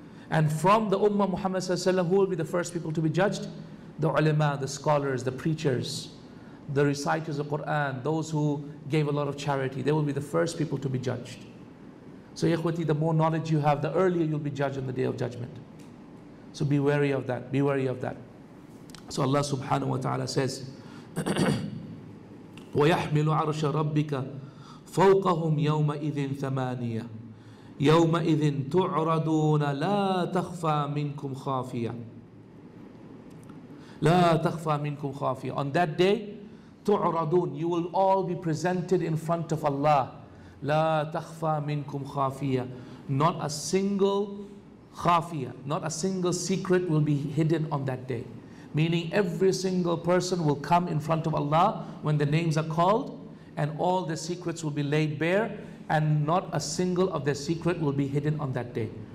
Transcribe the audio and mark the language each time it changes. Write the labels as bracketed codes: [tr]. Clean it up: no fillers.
[en] And from the Ummah Muhammad Sallallahu Alaihi Wasallam, who will be the first people to be judged? The ulama, the scholars, the preachers, the reciters of Quran, those who gave a lot of charity, they will be the first people to be judged. So, Ikhwati, the more knowledge you have, the earlier you'll be judged on the Day of Judgment. So be wary of that, be wary of that. So Allah subhanahu wa ta'ala says, [ar] وَيَحْمِلُ عَرْشَ رَبِّكَ فَوْقَهُمْ يَوْمَئِذٍ ثَمَانِيَةً يَوْمَئِذٍ تُعْرَضُونَ لَا تَخْفَى مِنْكُمْ خَافِيَةً لَا تَخْفَى مِنْكُمْ خَافِيَةً. [en] On that day, [ar] تُعْرَضُونَ, [en] you will all be presented in front of Allah. [ar] لَا تَخْفَى مِنْكُمْ خَافِيَةً. [en] Not a single khafiyah, not a single secret will be hidden on that day. Meaning every single person will come in front of Allah when the names are called, and all the secrets will be laid bare, and not a single of their secret will be hidden on that day.